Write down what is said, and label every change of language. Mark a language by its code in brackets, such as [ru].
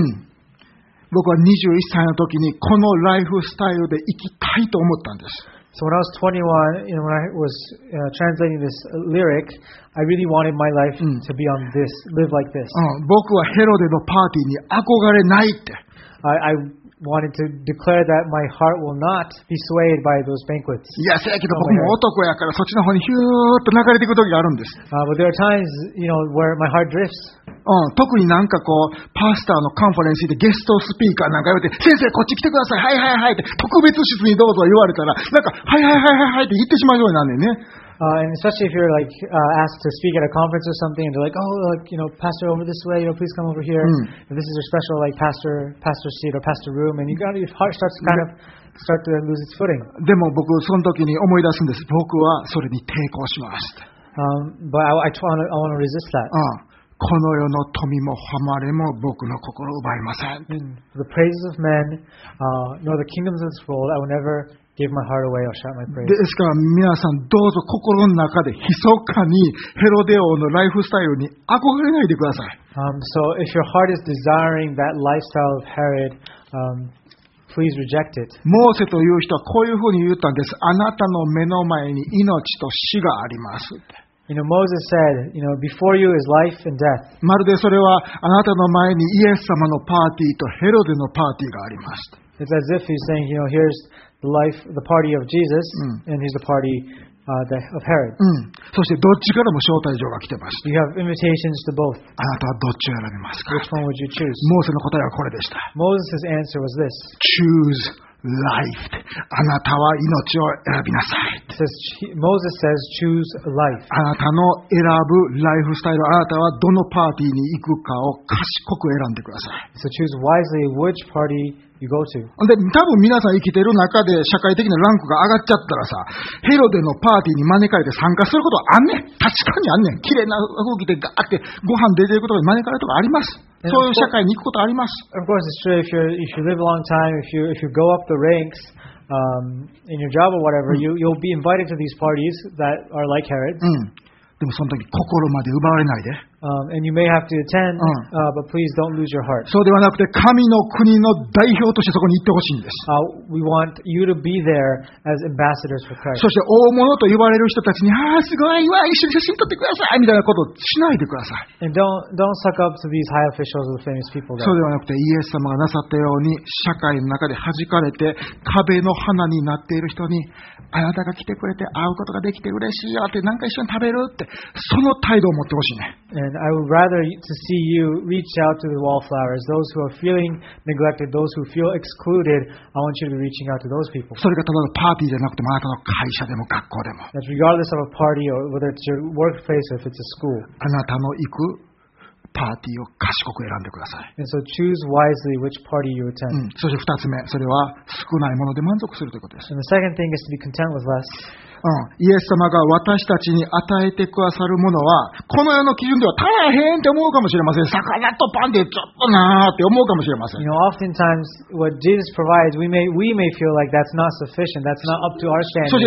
[ja] うん、僕は21歳の時にこのライフスタイルで生きたいと思ったんです [en] So when I was 21, you know, when I was translating this lyric, I really wanted my life to be on this, live like this.、 [ja] うん、僕はヘロデのパーティーに憧れないって。 [en] I wanted to declare that my heart will not be swayed by those banquets. [ja] いや、せやけど僕も男やからそっちの方にヒューッと流れていく時があるんです。 [en] But there are times, you know, where my heart drifts.、 [ja] うん、特になんかこう、パスターのカンファレンスでゲストスピーカーなんか言われて、先生こっち来てください、はいはいはいって、特別室にどうぞ言われたら、なんか、はいはいはいはいって言ってしまうようになるね。 [en] And especially if you're like, asked to speak at a conference or something, and they're like, oh, like, you know, pastor over this way, you know, please come over here.、うん、this is your special like, pastor seat or pastor room, and your heart starts kind of start to lose its footing. [ja] でも僕、その時に思い出すんです。僕はそれに抵抗しました [en] 。 But I want to resist that.、 [ja] うんこの世の富も誉れも僕の心を奪いません。 [en] The praises of men, nor the kingdoms of this world, I will never give my heart away or shout my praise. [ja] ですから皆さんどうぞ心の中で密かにヘロデ王のライフスタイルに憧れないでください。 [en] So if your heart is desiring that lifestyle of Herod, please reject it. [ja] モーセという人はこういうふうに言ったんです。あなたの目の前に命と死があります。 [en] You know, Moses said, you know, before you is life and death. [ja] まるでそれはあなたの前にイエス様のパーティーとヘロデのパーティーがあります。 [en] It's as if he's saying, you know, here's the life, the party of Jesus,、うん、and here's the party、of Herod.、 [ja] うん、そしてどっちからも招待状が来てます。 [en] You have invitations to both. [ja] あなたはどっちを選びますか [en] ？Which one would you choose? [ja] モーセの答えはこれでした。 [en] Moses' answer was this. Choose. Life. [ja] あなたは命を選びなさい。 [en] Moses says, choose life. [ja] あなたの選ぶライフスタイル、あなたはどのパーティーに行くかを賢く選んでください。 [en] So choose wisely which party you go to. [ja] で、多分皆さん生きてる中で社会的なランクが上がっちゃったらさ、ヘロデのパーティーに招かれて参加することはあんねん。確かにあんねん。綺麗な服着てガーってご飯出てることに招かれるとかあります。そういう社会に行くことあります。 [en] Of course, it's true. If you live a long time, if you go up the ranks, in your job or whatever,、うん、you'll be invited to these parties that are like Herod's. [ja] うん。でもその時心まで奪われないで。 [en] And you may have to attend, but please don't lose your heart. [ja] そうではなくて神の国の代表としてそこに行ってほしいんです。 [en] We want you to be there as ambassadors for Christ. [ja] そして大物と言われる人たちに、ああすごいわ、一緒に写真撮ってくださいみたいなことをしないでください。 [en] And don't suck up to these high officials or the famous people. [ja] そうではなくてイエス様がなさったように社会の中で弾かれて壁の花になっている人に、あなたが来てくれて会うことができて嬉しいよって、なんか一緒に食べるって、その態度を持ってほしいね。 [en] And I would rather to see you reach out to the wallflowers, those who are feeling neglected, those who feel excluded. I want you to be reaching out to those people. [ja] それがただのパーティーじゃなくても、あなたの会社でも学校でも。 [en] That's regardless of a party or whether it's your workplace or if it's a school. [ja] あなたの行くパーティーを賢く選んでください。 [en] And so choose wisely which party you attend.、 [ja] うん、そして二つ目、それは少ないもので満足するということです。 [en] And the second thing is to be content with less. [ja] うん、イエス様が私たちに与えてくださるものはこの世の基準では大変って思うかもしれません。魚とパンでちょっとなーって思うかもしれません。 [en] You know, oftentimes what Jesus provides, we may feel like that's not sufficient, that's not up to our standards.